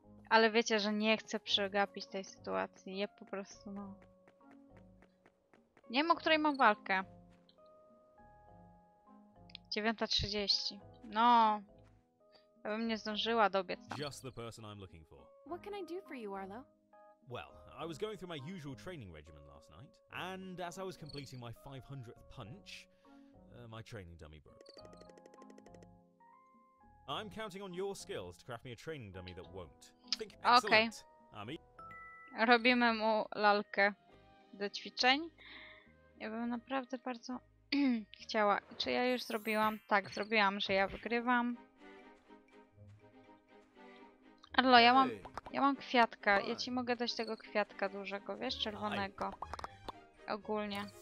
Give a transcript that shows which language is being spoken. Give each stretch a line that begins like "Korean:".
Polish: Ale wiecie, że nie chcę przegapić tej sytuacji. Ja po prostu no... nie wiem, o której mam walkę. 9:30. No. Ja bym nie zdążyła dobiec tam.
English: Just the person I'm looking for. What can I do for you, Arlo? Well, I was going through my usual training regimen last night, and as I was completing my 500th punch, my training dummy broke. I'm counting on your skills to craft me a training dummy that won't. Think excellent, okay. Ami.
Polish: Robimy mu lalkę do ćwiczeń. Ja bym naprawdę bardzo chciała. Czy ja już zrobiłam? Tak, zrobiłam, że ja wygrywam. Arlo, ja mam kwiatka. Ja ci mogę dać tego kwiatka dużego, wiesz, czerwonego. Ogólnie.